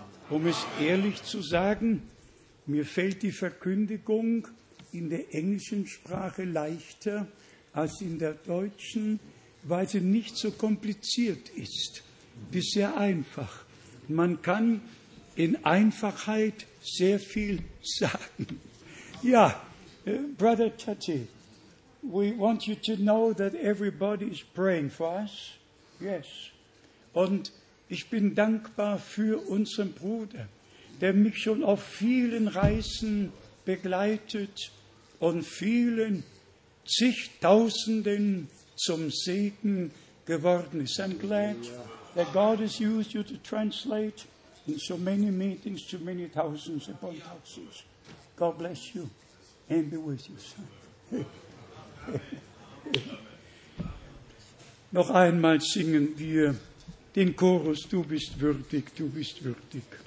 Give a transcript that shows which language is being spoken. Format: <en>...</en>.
<de>Um es ehrlich zu sagen, mir fällt die Verkündigung in der englischen Sprache leichter als in der deutschen, weil sie nicht so kompliziert ist. Sie ist sehr einfach. Man kann in Einfachheit sehr viel sagen.</de> <en>Ja, Brother Tati, we want you to know that everybody is praying for us. Yes.</en> <de>Und ich bin dankbar für unseren Bruder, der mich schon auf vielen Reisen begleitet und vielen zigtausenden zum Segen geworden ist.</de> <en>I'm glad that God has used you to translate in so many meetings to many thousands upon thousands. God bless you and be with you, son.</en> <de>Noch einmal singen wir den Chorus, du bist würdig, du bist würdig.</de>